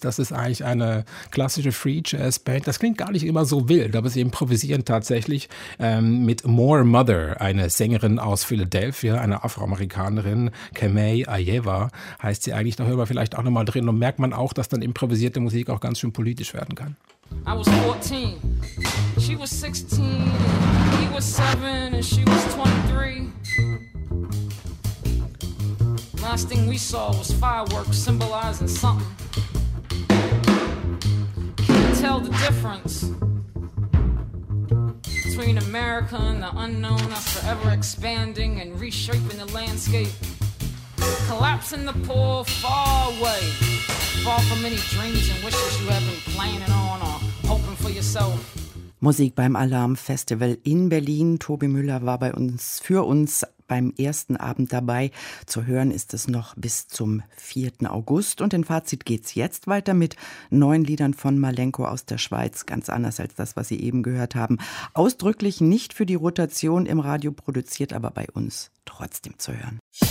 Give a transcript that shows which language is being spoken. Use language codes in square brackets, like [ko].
[de] Das ist eigentlich eine klassische Free Jazz Band. Das klingt gar nicht immer so wild, aber sie improvisieren tatsächlich mit More Mother, eine Sängerin aus Philadelphia, eine Afroamerikanerin, Kamei Ayewa heißt sie eigentlich. Da hören wir vielleicht auch nochmal drin, und merkt man auch, dass dann improvisierte Musik auch ganz schön politisch werden kann. [en] I was 14, she was 16, he was 7 and she was 23. Last thing we saw was fireworks symbolizing something. Tell the difference between America and the unknown, us forever expanding and reshaping the landscape, collapsing the poor far away, far from any dreams and wishes you have been planning on or hoping for yourself. [de] Musik beim Alarm Festival in Berlin. Tobi Müller war bei uns, für uns beim ersten Abend dabei. Zu hören ist es noch bis zum 4. August. Und in Fazit geht's jetzt weiter mit 9 Liedern von Malenko aus der Schweiz. Ganz anders als das, was Sie eben gehört haben. Ausdrücklich nicht für die Rotation im Radio produziert, aber bei uns trotzdem zu hören.